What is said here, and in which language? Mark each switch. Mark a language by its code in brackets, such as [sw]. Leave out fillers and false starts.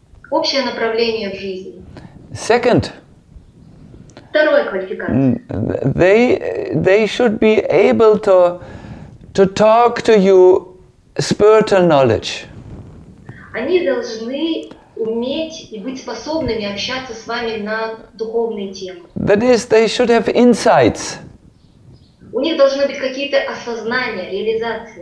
[ru] Общее направление в жизни. [en] Second. [ru] Второе квалификация. [en] They should be able to talk to you spiritual knowledge. [ru] Они должны уметь и быть способными общаться с вами на духовные темы. [en] That is, they should have insights. [ru] У них должны быть какие-то осознания, реализации.